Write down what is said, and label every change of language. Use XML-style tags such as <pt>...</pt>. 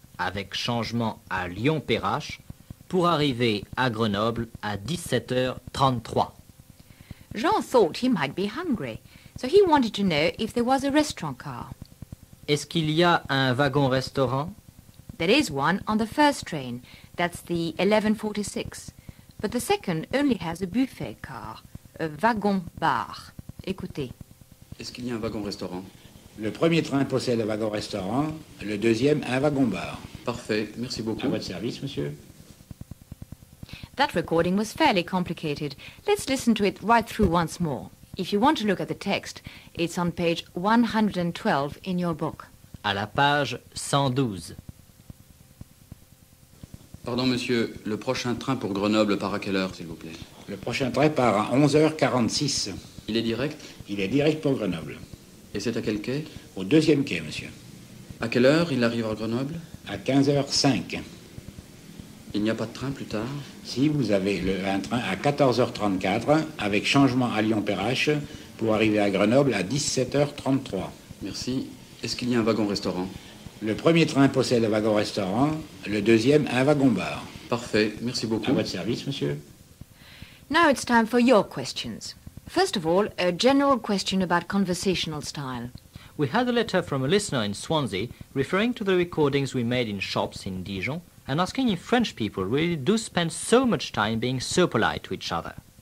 <fr>avec changement à Lyon-Perrache, pour arriver à Grenoble à 17h33.</fr> <en>Jean thought he might be hungry, so he wanted to know if there was a restaurant car.</en> <fr>Est-ce qu'il y a un wagon-restaurant?</fr> <en>There is one on the first train, that's the 11:46. But the second only has a buffet car, a wagon-bar.</en> <fr>Écoutez. Est-ce qu'il y a un wagon-restaurant? Le premier train possède un wagon-restaurant, le deuxième un wagon-bar. Parfait, merci beaucoup. À votre service, monsieur.</fr> <en>That recording was fairly complicated. Let's listen to it right through once more. If you want to look at the text, it's on page 112 in your book.</en> <fr>À la page 112. Pardon, monsieur, le prochain train pour Grenoble part à quelle heure, s'il vous plaît? Le prochain train part à 11h46. Il est direct? Il est direct pour Grenoble. Et c'est à quel quai? Au deuxième quai, monsieur. À quelle heure il arrive à Grenoble? À 15h05. Il n'y a pas de train plus tard? Si, vous avez un train à 14h34 avec changement à Lyon-Perrache pour arriver à Grenoble à 17h33. Merci. Est-ce qu'il y a un wagon-restaurant? Le premier train possède un wagon-restaurant, le deuxième un wagon-bar. Parfait. Merci beaucoup. À votre service, monsieur.</fr> <en>Now it's time for your questions. First of all, a general question about conversational style. We had a letter from a listener in Swansea referring to the recordings we made in shops in Dijon and asking if French people really do spend so much time being so polite to each other.</en>